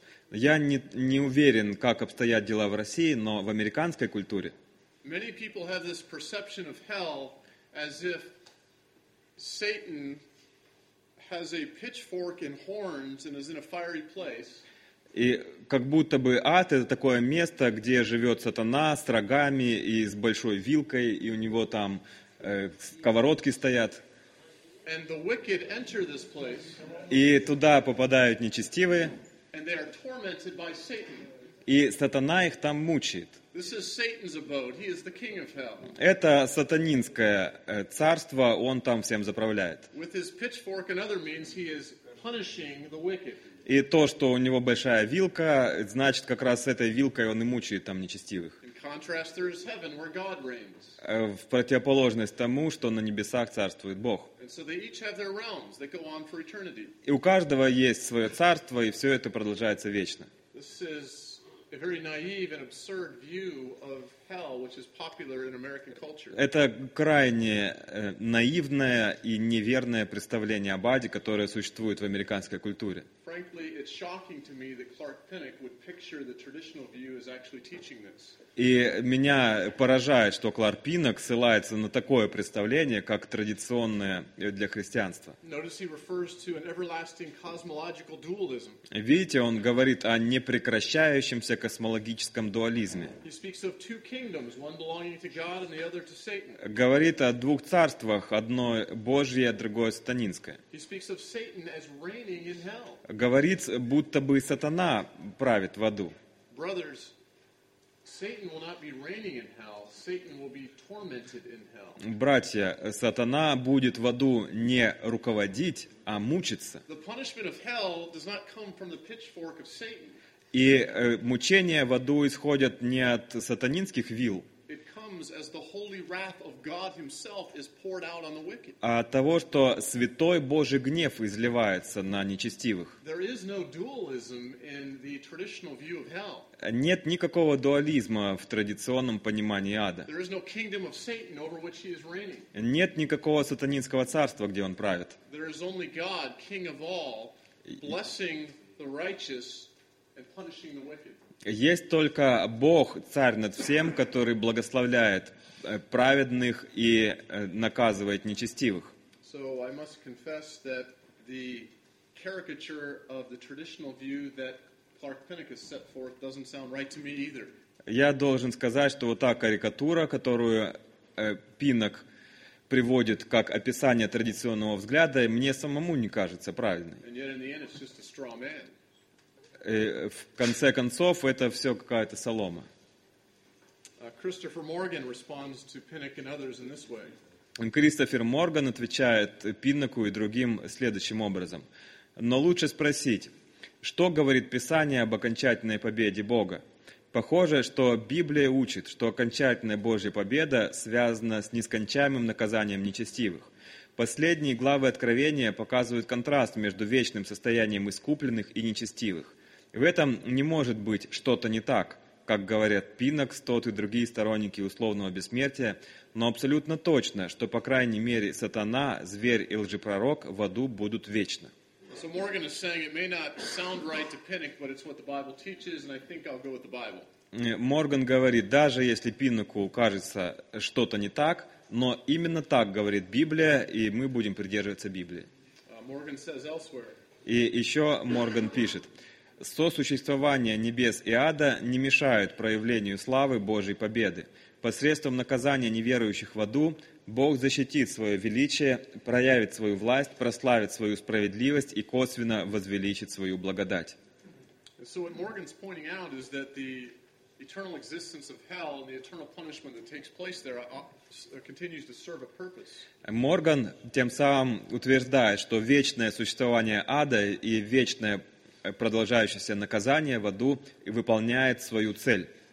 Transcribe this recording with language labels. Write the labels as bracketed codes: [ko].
[ru] Я не уверен, как обстоят дела в России, но в американской культуре [en] many people have this perception of hell as if Satan has a pitchfork and horns and is in a fiery place. [ru] И как будто бы ад — это такое место, где живет сатана с рогами и с большой вилкой, и у него там сковородки стоят. [en] And the wicked enter this place. [ru] И туда попадают нечестивые. [en] And they are tormented by Satan. [ru] И сатана их там мучает. [en] This is Satan's abode. He is the king of hell. [ru] Это сатанинское царство, он там всем заправляет. [en] With his pitchfork and other means, he is punishing the wicked. [ru] И то, что у него большая вилка, значит, как раз с этой вилкой он и мучает там нечестивых. [en] contrast, there is heaven where God reigns. [ru] В противоположность тому, что на небесах царствует Бог. [en] And so they each have their realms that go on for eternity. [ru] И у каждого есть свое царство, и все это продолжается вечно. [en] This is a very naive and absurd view of hell, which is popular in American culture. [ru] Это крайне наивное и неверное представление об аде, которое существует в американской культуре. [en] Frankly, it's shocking to me that Clark Pinnock would picture the traditional view as actually teaching this. [ru] И меня поражает, что Кларк Пиннок ссылается на такое представление, как традиционное для христианства. [en] Notice he refers to an everlasting cosmological dualism. [ru] Видите, он говорит о непрекращающемся космологическом дуализме. [en] He speaks of two kingdoms, one belonging to God and the other to Satan. [ru] Говорит о двух царствах, одно Божье, другое сатанинское. [en] He speaks of Satan as reigning in hell. [ru] Говорит, будто бы сатана правит в аду. [en] Brothers, Satan will not be reigning in hell. Satan will be tormented in hell. [ru] Братья, сатана будет в аду не руководить, а мучиться. [en] The punishment of hell does not come from the pitchfork of Satan. [ru] И мучения в аду исходят не от сатанинских вил, [en] as the holy wrath of God himself is poured out on the wicked. [ru] А от того, что святой Божий гнев изливается на нечестивых. [en] There is no dualism in the traditional view of hell. [ru] Нет никакого дуализма в традиционном понимании ада. [en] There is no kingdom of Satan over which he is reigning. [ru] Нет никакого сатанинского царства, где он правит. [en] There is only God, king of all, blessing the righteous and punishing the wicked. [ru] Есть только Бог, Царь над всем, который благословляет праведных и наказывает нечестивых. [en] So I must confess that the caricature of the traditional view that Clark Pinnock has set forth doesn't sound right to me either. [ru] Я должен сказать, что вот та карикатура, которую Пиннок приводит как описание традиционного взгляда, мне самому не кажется правильной. [en] And yet in the end it's just a straw man. [ru] В конце концов, это все какая-то солома. [en] Christopher Morgan responds to Pinnock and others in this way. [ru] Кристофер Морган отвечает Пиннаку и другим следующим образом. Но лучше спросить, что говорит Писание об окончательной победе Бога? Похоже, что Библия учит, что окончательная Божья победа связана с нескончаемым наказанием нечестивых. Последние главы Откровения показывают контраст между вечным состоянием искупленных и нечестивых. В этом не может быть что-то не так, как говорят Пиннок, Стот и другие сторонники условного бессмертия, но абсолютно точно, что по крайней мере сатана, зверь и лжепророк в аду будут вечно. [en] So Morgan is saying it may not sound right to Pinnock, but it's what the Bible teaches, and I think I'll go with the Bible. [ru] Морган говорит, даже если Пиннаку кажется что-то не так, но именно так говорит Библия, и мы будем придерживаться Библии. [en] Morgan says elsewhere. [ru] И еще Морган пишет. Сосуществование небес и ада не мешают проявлению славы Божьей победы. Посредством наказания неверующих в аду, Бог защитит свое величие, проявит свою власть, прославит свою справедливость и косвенно возвеличит свою благодать. [en] So what Morgan's pointing out is that the eternal existence of hell and the eternal punishment that takes place there continues to serve a purpose. [ru] Морган тем самым утверждает, что вечное существование ада и вечное продолжающееся наказание в аду выполняет свою цель.